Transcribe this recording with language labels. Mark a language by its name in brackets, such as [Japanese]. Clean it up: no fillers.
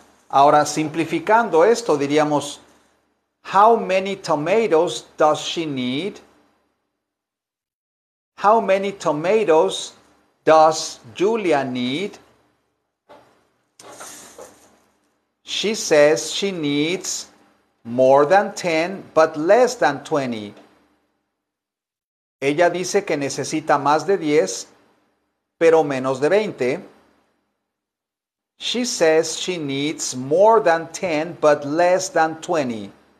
[Spanish] Ahora, simplificando esto, diríamos, [English] how many tomatoes does she need? How many tomatoes does Julia need? She says she needs more than 10, but less than 20. [Spanish] Ella dice que necesita más de 10, pero menos de 20. [English] She says she needs more than 10, but less than 20.